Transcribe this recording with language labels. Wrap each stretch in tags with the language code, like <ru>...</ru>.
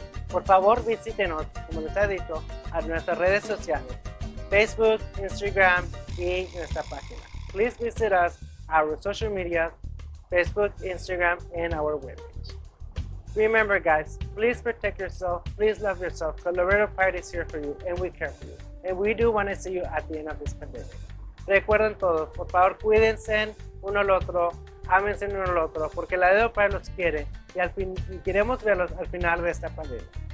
<es>Por favor, visítenos, como les he dicho, a nuestras redes sociales, Facebook, Instagram y nuestra página.</es> <en>Please visit us, our social media, Facebook, Instagram, and our webpage. Remember, guys, please protect yourself, please love yourself, because Laredo Pride is here for you, and we care for you. And we do want to see you at the end of this pandemic.</en> <es>Recuerden todos, por favor, cuídense uno al otro. Ámense uno al otro, porque la Laredo Pride los quiere y queremos verlos al final de esta pandemia.</es>